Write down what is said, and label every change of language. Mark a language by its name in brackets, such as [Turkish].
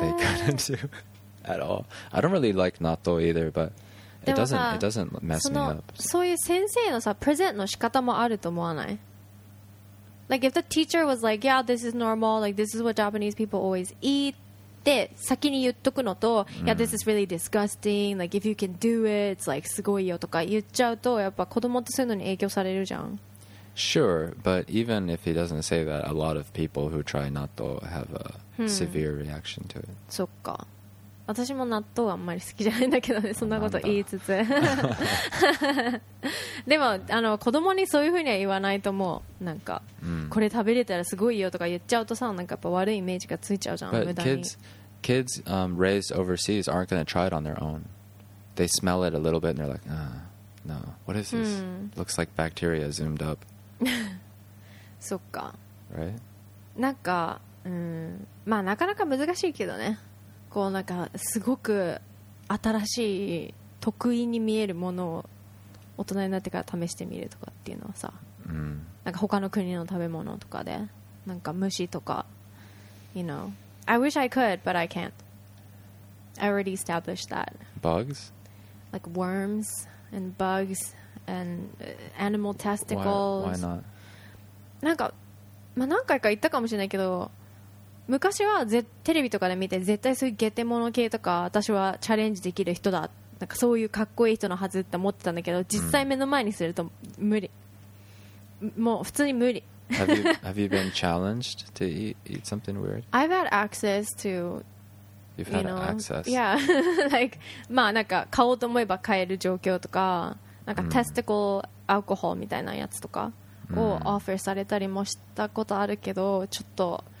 [English] They couldn't do at all. I don't really like natto either, but [Japanese] でもさ、 [English] it doesn't mess me up. [Japanese] そういう先生のさ、プレゼンの仕方もあると思わない？ [English] Like if the teacher was like, yeah, this is normal, like this is what Japanese people always eat. [Japanese] で先に言っとくのと、いや、 [English] this is really disgusting. Like if you can do it, it's like [Japanese] すごいよとか言っちゃうと、やっぱ子供ってそういうのに影響されるじゃん。 [English] Sure, but even if he doesn't say that, a lot of people who try natto have a severe reaction to it. [Japanese] そっか。私も納豆はあんまり好きじゃないんだけどね。そんなこと言いつつ。でもあの子供にそういうふうには言わないと、もうなんか、これ食べれたらすごいよとか言っちゃうとさ、なんかやっぱ悪いイメージがついちゃうじゃん。 [English] But [Japanese] 無駄に。 [English] Kids raised overseas aren't going to try it on their own. They smell it a little bit and they're like, ah, no. What is this? Looks like bacteria zoomed up. [Japanese] そっか。 [English] Right? [Japanese] なんか、まあなかなか難しいけどね。こうなんかすごく新しい得意に見えるものを大人になってから試してみるとかっていうのはさ、なんか他の国の食べ物とかで、なんか虫とか、 [English] you know。 I wish I could, but I can't. I already established that. Bugs? Like worms and bugs and animal testicles. Why not? [Japanese] なんか、まあ、何回か言ったかもしれないけど、昔はテレビとかで見て、絶対そういうゲテモノ系とか、私はチャレンジできる人だ。なんかそういうかっこいい人のはずって思ってたんだけど、実際目の前にすると無理。もう普通に無理。 [English] Have you been challenged to eat something weird? I've had access to. You've had access. Yeah, like, [Japanese] まあなんか買おうと思えば買える状況とか、なんかテスティコルアルコールみたいなやつとかをオファーされたりもしたことあるけど、ちょっと。